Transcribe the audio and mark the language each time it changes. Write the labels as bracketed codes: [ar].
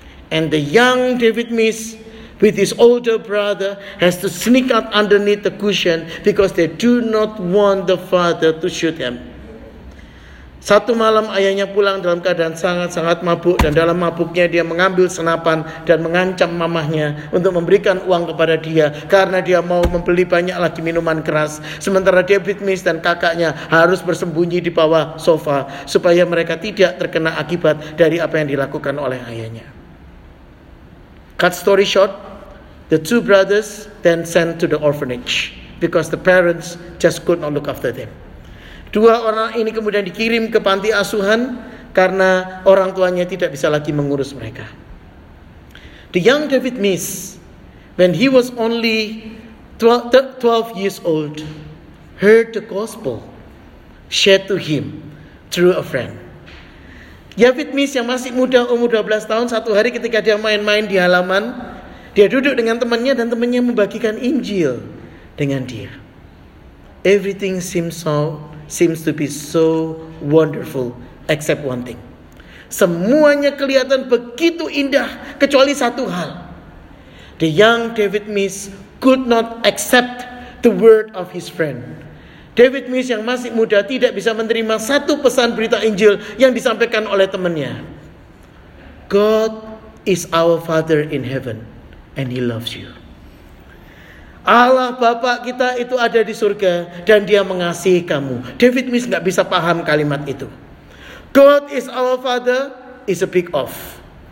[en] And the young David Mills with his older brother has to sneak out underneath the cushion because they do not want the father to shoot him. [id] Satu malam ayahnya pulang dalam keadaan sangat-sangat mabuk, dan dalam mabuknya dia mengambil senapan dan mengancam mamahnya untuk memberikan uang kepada dia karena dia mau membeli banyak lagi minuman keras. Sementara David Mills dan kakaknya harus bersembunyi di bawah sofa supaya mereka tidak terkena akibat dari apa yang dilakukan oleh ayahnya. [en] Cut story short, the two brothers then sent to the orphanage because the parents just could not look after them. [id] Dua orang ini kemudian dikirim ke panti asuhan karena orang tuanya tidak bisa lagi mengurus mereka. [en] The young David Mills, when he was only 12 years old, heard the gospel shared to him through a friend. [id] David Mills yang masih muda, umur 12 tahun, satu hari ketika dia main-main di halaman, dia duduk dengan temannya dan temannya membagikan Injil dengan dia. [en] Everything seems to be so wonderful except one thing. [id] Semuanya kelihatan begitu indah kecuali satu hal. [en] The young David Mills could not accept the word of his friend. [id] David Mills yang masih muda tidak bisa menerima satu pesan berita Injil yang disampaikan oleh temannya. [en] God is our Father in heaven and he loves you. [id] Allah Bapa kita itu ada di surga dan dia mengasihi kamu. David Mills gak bisa paham kalimat itu. [en] God is our Father is a big off.